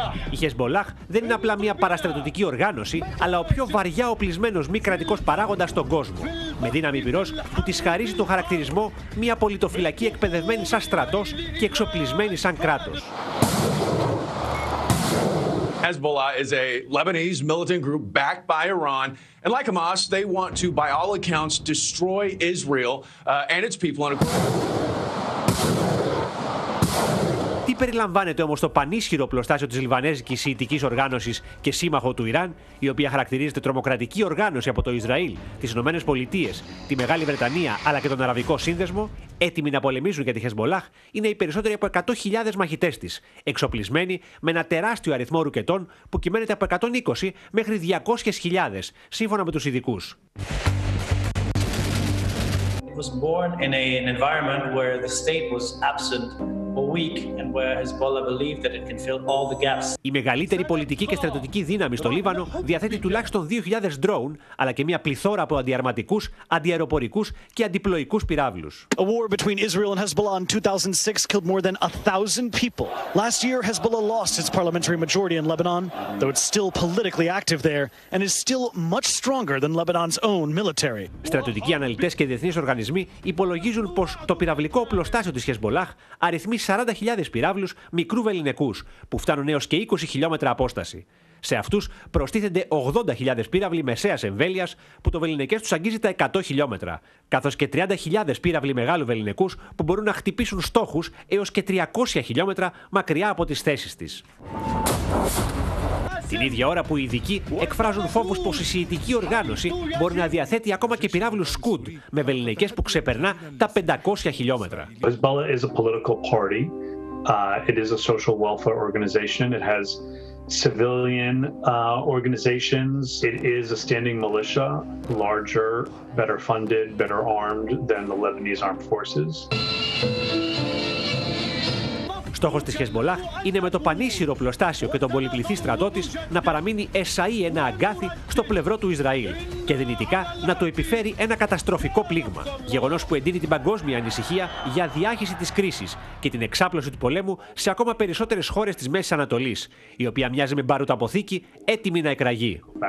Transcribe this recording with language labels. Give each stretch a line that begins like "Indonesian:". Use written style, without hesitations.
Greek: Η Χεσμπολάχ δεν είναι απλά μια παραστρατιωτική οργάνωση, αλλά ο πιο βαριά οπλισμένος μη κρατικός παράγοντας στον κόσμο. Με δύναμη πυρός που της χαρίζει τον χαρακτηρισμό μια πολιτοφυλακή εκπαιδευμένη σαν στρατός και εξοπλισμένη σαν κράτος.
English: Hezbollah is a Lebanese militant group backed by Iran, and like Hamas, they want to, by all accounts, destroy Israel and its people.
Greek: Τι περιλαμβάνεται όμως το πανίσχυρο πλωστάσιο της Λιβανέζικης Ιητικής Οργάνωσης και σύμμαχο του Ιράν, η οποία χαρακτηρίζεται τρομοκρατική οργάνωση από το Ισραήλ, τις Ηνωμένες Πολιτείες, τη Μεγάλη Βρετανία αλλά και τον Αραβικό Σύνδεσμο, έτοιμοι να πολεμήσουν για τη Χεσμπολάχ, είναι οι περισσότεροι από 100.000 μαχητές της, εξοπλισμένοι με ένα τεράστιο αριθμό ρουκετών που κυμαίνεται από 120 μέχρι 200.000, σύμφωνα με τους ειδικούς.
English: Was born in an environment where the state was absent or weak and where Hezbollah believed that it can fill all the gaps.
Greek: Η μεγαλύτερη πολιτική και στρατιωτική δύναμη στο Λίβανο διαθέτει τουλάχιστον 2.000 ντρόουν, αλλά και μια πληθώρα από αντιαρματικούς, αντιαεροπορικούς και αντιπλοϊκούς πυράβλους.
English: A war between Israel and Hezbollah in 2006 killed more than 1,000 people. Last year, Hezbollah lost its parliamentary majority in Lebanon, though it's still politically active there and is still much stronger than Lebanon's own military.
Greek: Στρατιωτικοί αναλυτές και διεθνείς οργανισμοί υπολογίζουν πως το πυραβλικό οπλοστάσιο της Χεσμπολάχ αριθμεί 40.000 πυράβλους μικρού βεληνεκούς που φτάνουν έως και 20 χιλιόμετρα απόσταση. Σε αυτούς προστίθενται 80.000 πύραυλοι μεσαίας εμβέλειας που το βεληνεκές τους αγγίζει τα 100 χιλιόμετρα, καθώς και 30.000 πύραυλοι μεγάλου βεληνεκούς που μπορούν να χτυπήσουν στόχους έως και 300 χιλιόμετρα μακριά από τις θέσεις της. Την ίδια ώρα που οι ειδικοί εκφράζουν φόβους πως η Σιητική οργάνωση μπορεί να διαθέτει ακόμα και πυράβλους Σκουντ με βεληνεκές που ξεπερνά τα 500 χιλιόμετρα.
English: Hezbollah is a political party. It is a social welfare organization. It has civilian organizations. It is a standing militia, larger, better funded, better armed than the Lebanese armed forces.
Greek: Στόχος της Χεσμπολάχ είναι με το πανίσχυρο πλωστάσιο και τον πολυπληθή στρατό της να παραμείνει εσαΐ ένα αγκάθι στο πλευρό του Ισραήλ και δυνητικά να το επιφέρει ένα καταστροφικό πλήγμα. Γεγονός που εντείνει την παγκόσμια ανησυχία για διάχυση της κρίσης και την εξάπλωση του πολέμου σε ακόμα περισσότερες χώρες της Μέσης Ανατολής, η οποία μοιάζει με μπαρουταποθήκη έτοιμη να εκραγεί.